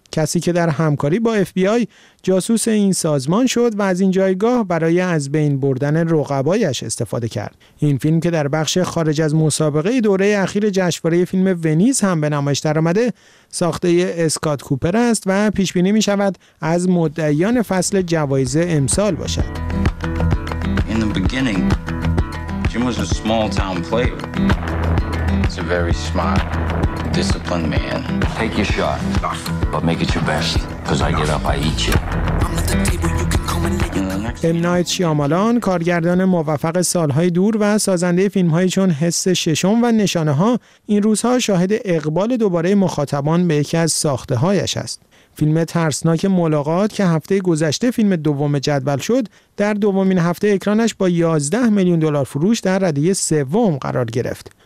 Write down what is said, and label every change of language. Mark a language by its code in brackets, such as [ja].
[fa] کسی که در همکاری با FBI جاسوس این سازمان شد و از این جایگاه برای از بین بردن رقبایش استفاده کرد. این فیلم که در بخش خارج از مسابقه دوره اخیر جشنواره فیلم ونیز هم به نمایش درآمده، ساخته اسکات کوپر است و پیش بینی می شود از مدعیان فصل جوایز امسال باشد. [en] In the beginning, Jim was a small town player. He's a very smart, disciplined man. Take your shot, but make it your best. Because I get up, I eat you. M. [fa] Night Shyamalan، کارگردان موفق سالهای دور و سازنده فیلمهایی چون حس ششم و نشانه ها، این روزها شاهد اقبال دوباره مخاطبان به یکی از ساخته هایش است. فیلم ترسناک ملاقات که هفته گذشته فیلم دوم جدول شد، در دومین هفته اکرانش با 11 میلیون دلار فروش در رده سوم قرار گرفت.